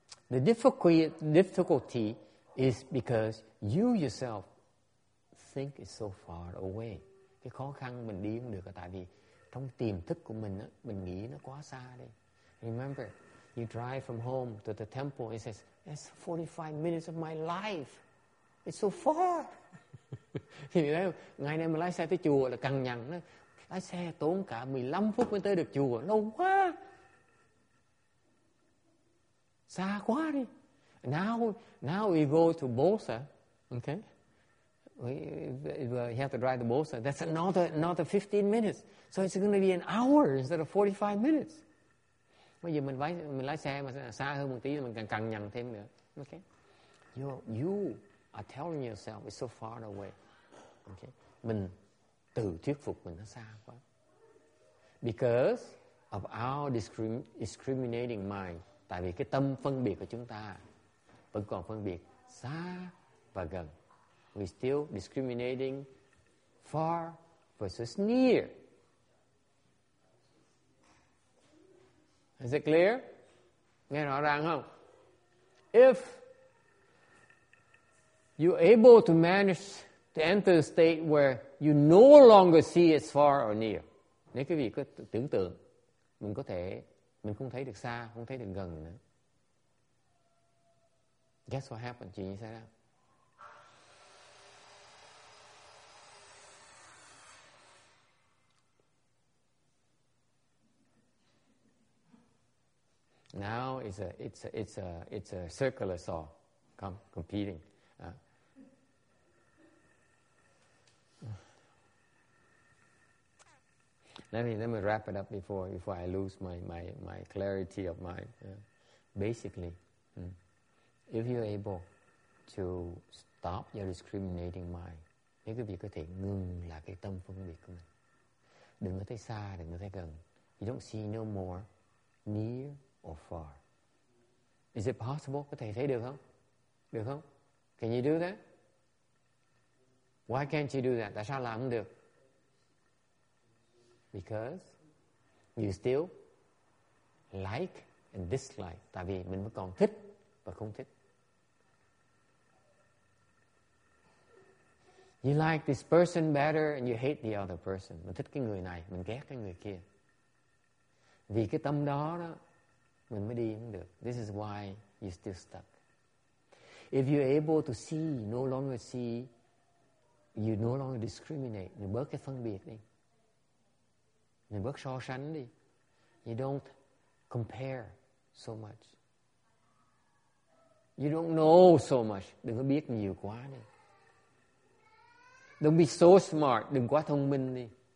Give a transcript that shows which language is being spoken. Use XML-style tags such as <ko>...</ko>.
<en>The difficulty is because you yourself think it's so far away.</en> <vi>Cái khó khăn mình đi không được là tại vì trong tiềm thức của mình á, mình nghĩ nó quá xa đi.</vi> <en>Remember, you drive from home to the temple, it says, that's 45 minutes of my life. It's so far.</en> <vi>Thì mình thấy ngày nay mình lái xe tới chùa là cằn nhằn, lái xe tốn cả 15 phút mới tới được chùa, lâu quá, xa quá đi.</vi> <en>Now we go to Bosa, okay, we have to drive to Bosa, that's another 15 minutes, so it's going to be an hour instead of 45 minutes.</en> <vi>Bây giờ mình lái xe mà xa hơn một tí mình càng cằn nhằn thêm nữa.</vi> <en>Okay, you are telling yourself it's so far away. Okay.</en> <vi>Mình tự thuyết phục mình nó xa quá.</vi> <en>Because of our discriminating mind.</en> <vi>Tại vì cái tâm phân biệt của chúng ta vẫn còn phân biệt xa và gần.</vi> <en>We still discriminating far versus near. Is it clear?</en> <vi>Nghe rõ ràng không?</vi> <en>If you're able to manage to enter a state where you no longer see as far or near.</en> <vi>Nếu quý vị có tưởng tượng, mình có thể, mình không thấy được xa, không thấy được gần nữa.</vi> <en>Guess what happened?</en> <vi>Chuyện gì xảy ra?</vi> <en>Now it's a circular saw competing. Let me wrap it up before I lose my clarity of mind. Basically, if you're able to stop your discriminating mind,</en> <vi>nếu quý vị có thể ngừng là cái tâm phân biệt của mình, đừng có thấy xa, đừng có thấy gần.</vi> <en>You don't see no more near or far. Is it possible?</en> <vi>Có thể thấy được không? Được không?</vi> <en>Can you do that? Why can't you do that?</en> <vi>Tại sao làm không được?</vi> <en>Because you still like and dislike.</en> <vi>Tại vì mình vẫn còn thích và không thích.</vi> <en>You like this person better and you hate the other person.</en> <vi>Mình thích cái người này, mình ghét cái người kia. Vì cái tâm đó đó, mình mới đi không được.</vi> <en>This is why you're still stuck. If you're able to see, you no longer discriminate.</en> <vi>Mình bớt cái phân biệt đi. Mình bớt so sánh đi.</vi> <en>You don't compare so much. You don't know so much.</en> <vi>Đừng có biết nhiều quá đi.</vi> <en>Don't be so smart.</en> <vi>Đừng quá thông minh đi.</vi>